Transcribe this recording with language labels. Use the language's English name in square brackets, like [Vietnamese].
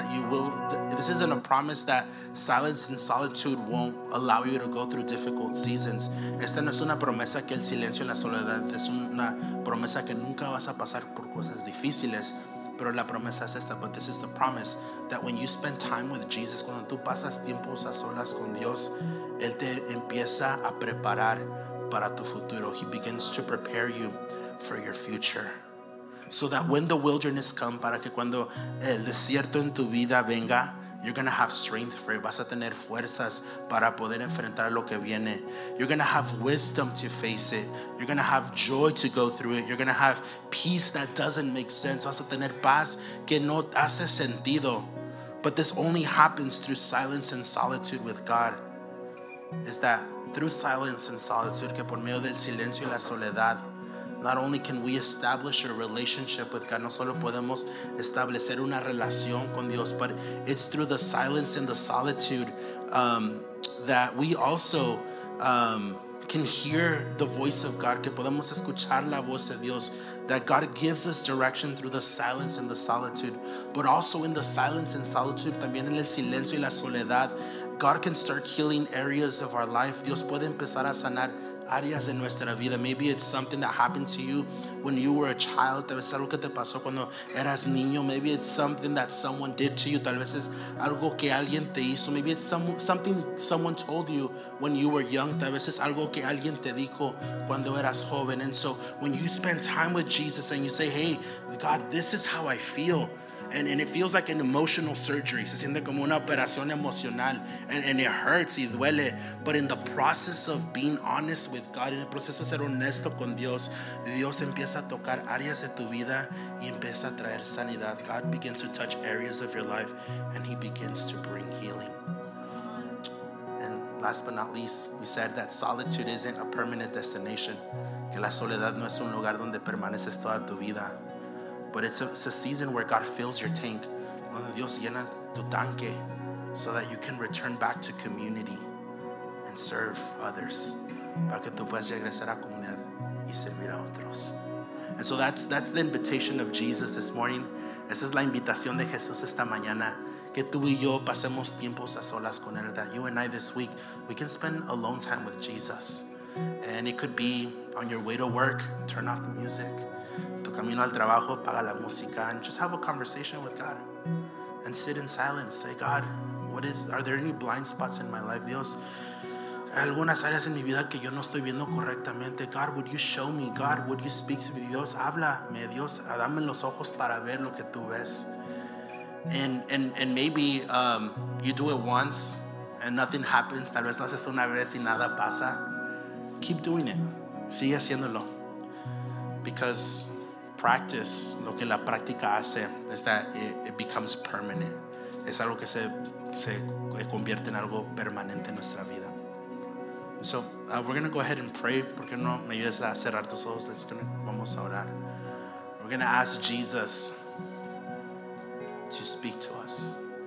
[English] This isn't a promise that silence and solitude won't allow you to go through difficult seasons. [Spanish] Esta no es una promesa que el silencio y la soledad es una promesa que nunca vas a pasar por cosas difíciles. Pero la promesa es esta. [English] But this is the promise that when you spend time with Jesus, [Spanish] cuando tú pasas tiempos a solas con Dios, Él te empieza a preparar para tu futuro. [English] He begins to prepare you for your future. So that when the wilderness comes, [Spanish] para que cuando el desierto en tu vida venga, [English] you're going to have strength for it. [Spanish] Vas a tener fuerzas para poder enfrentar lo que viene. [English] You're going to have wisdom to face it. You're going to have joy to go through it. You're going to have peace that doesn't make sense. [Spanish] Vas a tener paz que no hace sentido. [English] But this only happens through silence and solitude with God. Is that through silence and solitude, [Spanish] que por medio del silencio y la soledad, [English] not only can we establish a relationship with God, [Spanish] no solo podemos establecer una relación con Dios, [English] but it's through the silence and the solitude that we also can hear the voice of God, [Spanish] que podemos escuchar la voz de Dios, [English] that God gives us direction through the silence and the solitude. But also in the silence and solitude, [Spanish] también en el silencio y la soledad, [English] God can start healing areas of our life. [Spanish] Dios puede empezar a sanar áreas de nuestra vida. [English] Maybe it's something that happened to you when you were a child. [Spanish] Tal vez algo que te pasó cuando eras niño. [English] Maybe it's something that someone did to you. [Spanish] Tal vez es algo que alguien te hizo. [English] Maybe it's something someone told you when you were young. [Spanish] Tal vez es algo que alguien te dijo cuando eras joven. [English] And so when you spend time with Jesus and you say, hey, God, this is how I feel. And it feels like an emotional surgery. [Spanish] Se siente como una operación emocional. [English] And it hurts [Spanish] y duele. [English] But in the process of being honest with God, [Spanish] en el proceso de ser honesto con Dios, Dios empieza a tocar áreas de tu vida y empieza a traer sanidad. [English] God begins to touch areas of your life and he begins to bring healing. And last but not least, we said that solitude isn't a permanent destination. [Spanish] Que la soledad no es un lugar donde permaneces toda tu vida. [English] But it's a season where God fills your tank, [Spanish] donde Dios llena tu tanque, [English] so that you can return back to community and serve others. [Spanish] Para que tú puedas regresar a comunidad y servir a otros. [English] And so that's the invitation of Jesus this morning. [Spanish] Esa es la invitación de Jesús esta mañana. Que tú y yo pasemos tiempos a solas con él. [English] That you and I this week, we can spend alone time with Jesus. And it could be on your way to work, turn off the music. [Spanish] Camino al trabajo, apaga la música, [English] and just have a conversation with God and sit in silence. Say, God, are there any blind spots in my life? [Spanish] Dios, algunas áreas en mi vida que yo no estoy viendo correctamente. [English] God, would you show me? God, would you speak to me? [Spanish] Dios, háblame. Dios, dame los ojos para ver lo que tú ves. [English] And maybe you do it once and nothing happens. [Spanish] Tal vez lo haces una vez y nada pasa. [English] Keep doing it. [Spanish] Sigue haciéndolo. [English] Because practice, [Spanish] lo que la práctica hace [English] is that it becomes permanent. [Spanish] Es algo que se convierte en algo permanente en nuestra vida. So we're going to go ahead and pray. ¿Por qué no me ayudes a cerrar tus ojos? Vamos a orar. [English] We're going to ask Jesus to speak to us.